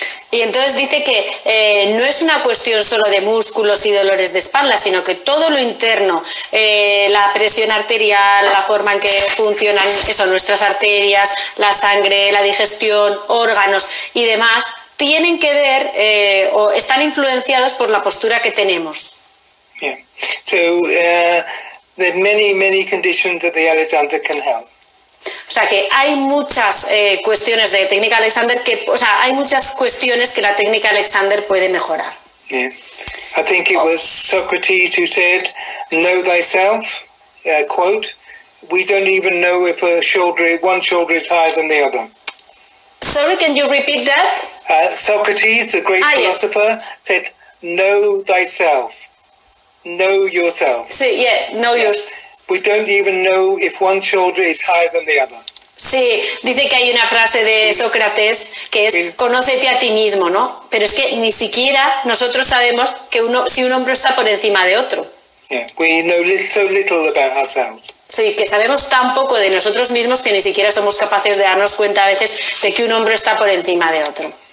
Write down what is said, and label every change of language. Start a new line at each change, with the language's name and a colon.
Spanish: Y entonces dice que no es una cuestión solo de músculos y dolores de espalda, sino que todo lo interno, la presión arterial, la forma en que funcionan eso, nuestras arterias, la sangre, la digestión, órganos y demás, tienen que ver o están influenciados por la postura que tenemos.
English: Yeah. So, there are many, many conditions that the Alexander can help.
Spanish: O sea que hay muchas cuestiones de técnica Alexander que, o sea, hay muchas cuestiones que la técnica Alexander puede mejorar.
English: Yeah. I think it was Socrates who said, "Know thyself." Quote: "We don't even know if one shoulder is higher than the other." Sorry, can you repeat that? Socrates, the great philosopher, said, "Know thyself." Know yourself. Sí, yes, know yours. We don't even know if one shoulder is higher than the other.
Spanish: Sí, dice que hay una frase de Sócrates que es conócete a ti mismo, ¿no? Pero es que ni siquiera nosotros sabemos que si un hombro está por encima de otro. Yeah, we know so little about ourselves. Sí, que sabemos tan poco de nosotros mismos que ni siquiera somos capaces de darnos cuenta a veces de que un hombro está por encima de otro.